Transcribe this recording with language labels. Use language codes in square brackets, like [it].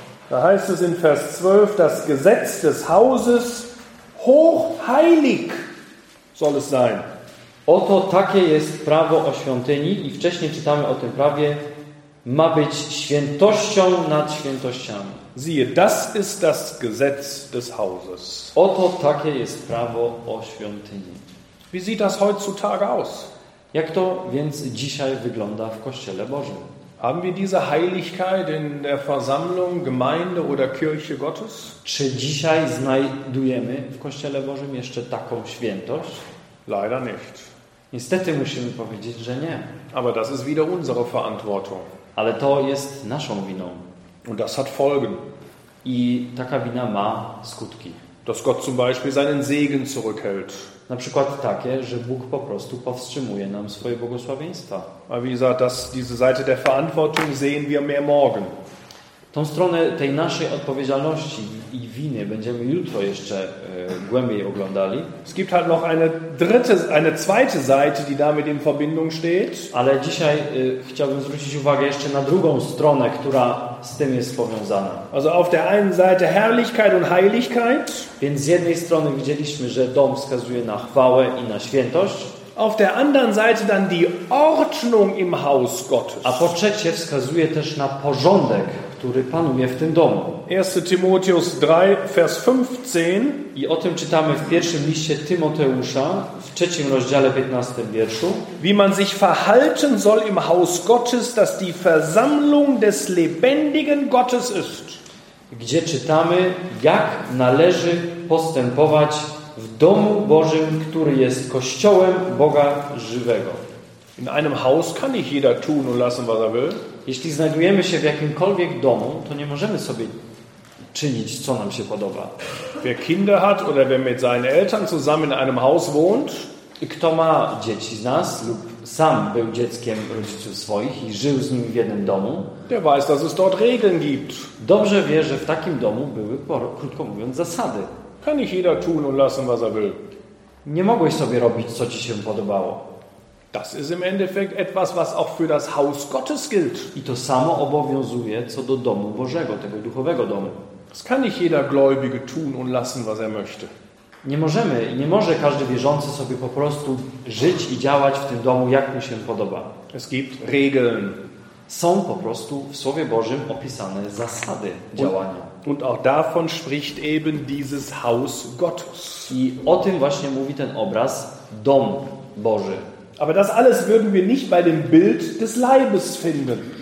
[de] Da heißt es in Vers 12, das Gesetz des Hauses hochheilig soll es sein. [pl] Oto takie jest prawo o świątyni i wcześniej czytamy o tym prawie, ma być świętością nad świętościami. [de] Siehe, das ist das Gesetz des Hauses. [pl] Oto takie jest prawo o świątyni. [de] Wie sieht das heutzutage aus? [pl] Jak to więc dzisiaj wygląda w Kościele Bożym? [de] Haben wir diese Heiligkeit in der Versammlung, Gemeinde oder Kirche Gottes? [pl] Czy dzisiaj znajdujemy w Kościele Bożym jeszcze taką świętość? [de] Leider nicht. [pl] Niestety musimy powiedzieć, że nie. [de] Aber das ist wieder unsere Verantwortung. [pl] Ale to jest naszą winą. [de] Und das hat Folgen. [pl] I taka wina ma skutki. [de] Dass Gott zum Beispiel seinen Segen zurückhält. [pl] Na przykład takie, że Bóg po prostu powstrzymuje nam swoje błogosławieństwa. [de] Aber wie gesagt, diese Seite der Verantwortung sehen wir mehr morgen. [pl] Tą stronę tej naszej odpowiedzialności i winy będziemy jutro jeszcze głębiej oglądali. [de] Es gibt halt noch eine zweite Seite, die damit in Verbindung steht. [pl] Ale dzisiaj chciałbym zwrócić uwagę jeszcze na drugą stronę, która z tym jest powiązana. [de] Also auf der einen Seite Herrlichkeit und Heiligkeit. [pl] Więc z jednej strony widzieliśmy, że dom wskazuje na chwałę i na świętość. [de] Auf der anderen Seite dann die Ordnung im Haus Gottes. [pl] A po trzecie wskazuje też na porządek, który panuje w tym domu. [de] 1 Timoteusz 3, vers 15. [pl] I o tym czytamy w pierwszym liście Tymoteusza, w trzecim rozdziale, 15 wierszu. [de] Wie man sich verhalten soll im Haus Gottes, das die Versammlung des lebendigen Gottes ist. [pl] Gdzie czytamy, jak należy postępować w domu Bożym, który jest kościołem Boga żywego. [de] In einem Haus kann nicht jeder tun und lassen, was er will. [pl] Jeśli znajdujemy się w jakimkolwiek domu, to nie możemy sobie czynić, co nam się podoba. [de] Wer Kinder hat oder wer mit seinen Eltern zusammen in einem Haus wohnt. [pl] Kto ma dzieci z nas lub sam był dzieckiem rodziców swoich i żył z nimi w jednym domu. [de] Der weiß, dass es dort Regeln gibt. [pl] Dobrze wie, że w takim domu były, krótko mówiąc, zasady. [de] Kann nicht jeder tun und lassen, was er will. [pl] Nie mogłeś sobie robić, co ci się podobało. [de] Das ist im Endeffekt etwas, was auch für das Haus Gottes gilt. [pl] I to samo obowiązuje co do domu Bożego, tego duchowego domu. [de] Das kann nicht jeder Gläubige tun und lassen, was er möchte. [pl] Nie możemy, nie może każdy wierzący sobie po prostu żyć i działać w tym domu, jak mu się podoba. [de] Es gibt Regeln. [pl] są po prostu w Słowie Bożym opisane zasady działania. [de] Und auch davon spricht eben dieses Haus Gottes. [pl] I o tym właśnie mówi ten obraz, Dom Boży. [de] Aber das alles würden wir nicht bei dem Bild des Leibes finden.